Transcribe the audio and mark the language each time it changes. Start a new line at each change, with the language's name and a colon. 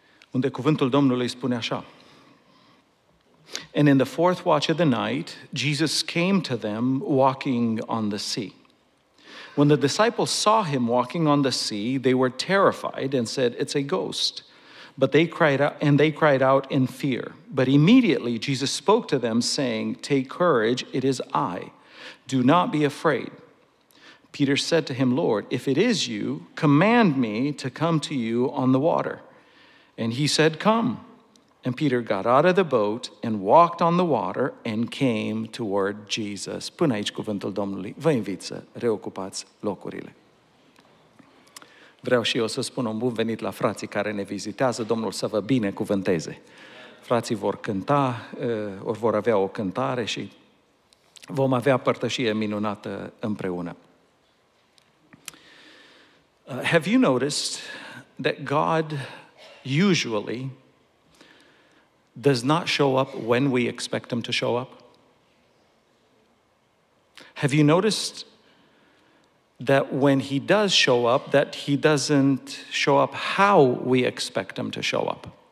Romanian: Unde cuvântul Domnului spune așa.
English: And in the fourth watch of the night, Jesus came to them walking on the sea. When the disciples saw him walking on the sea, they were terrified and said, "It's a ghost." But they cried out in fear. But immediately Jesus spoke to them, saying, "Take courage, it is I. Do not be afraid." Peter said to him, "Lord, if it is you, command me to come to you on the water." And he said, "Come." And Peter got out of the boat and walked on the water and came toward Jesus.
Romanian: Până aici cuvântul Domnului. Vă invit să reocupați locurile. Vreau și eu să spun un bun venit la frații care ne vizitează. Domnul să vă binecuvânteze. Frații vor cânta, ori vor avea o cântare și vom avea părtășie minunată împreună.
English: Have you noticed that God usually does not show up when we expect him to show up? Have you noticed that when he does show up, that he doesn't show up how we expect him to show up?